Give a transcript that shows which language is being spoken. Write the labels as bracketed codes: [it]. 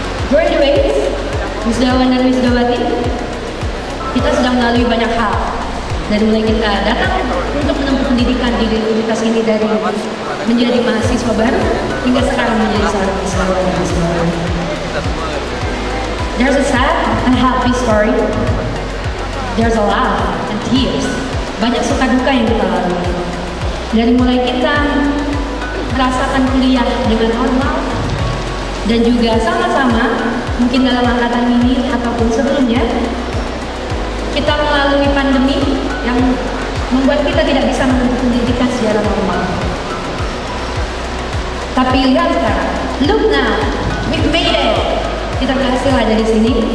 [id] Graduates, wisudawan dan wisudawati, kita sudah melalui banyak hal. Dari mulai kita datang untuk menempuh pendidikan di universitas ini dari menjadi mahasiswa baru hingga sekarang menjadi seorang mahasiswa. [en] There's a sad and happy story. There's a laugh and tears. [id] Banyak suka duka yang kita lalui. Dari mulai kita merasakan kuliah dengan normal dan juga sama-sama mungkin dalam angkatan ini ataupun sebelumnya, kita melalui pandemi yang membuat kita tidak bisa menempuh pendidikan secara normal. Tapi lihat sekarang, [en] look now, we've made it. [id] Kita berhasil ada di sini.